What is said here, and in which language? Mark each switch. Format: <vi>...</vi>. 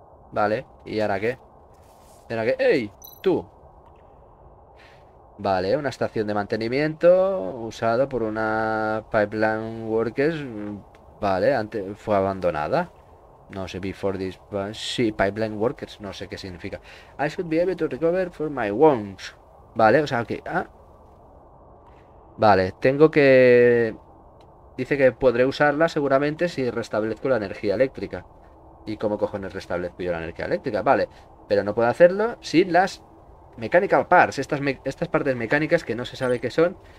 <es>Vale, ¿y ahora qué? ¿Ahora qué? ¡Ey! ¡Tú! Vale, una estación de mantenimiento usado por una</es> <en>pipeline workers.</en> <es>Vale, antes fue abandonada. No sé,</es> <en>before this...</en> <es>Sí,</es> <en>pipeline workers,</en> <es>no sé qué significa.</es> <en>I should be able to recover for my wounds.</en> <es>Vale, o sea, que... Okay. Ah. Vale, tengo que... Dice que podré usarla seguramente si restablezco la energía eléctrica. ¿Y cómo cojones restablezco yo la energía eléctrica? Vale, pero no puedo hacerlo sin las...</es> <en>Mechanical parts,</en> <es>estas partes mecánicas que no se sabe qué son.</es>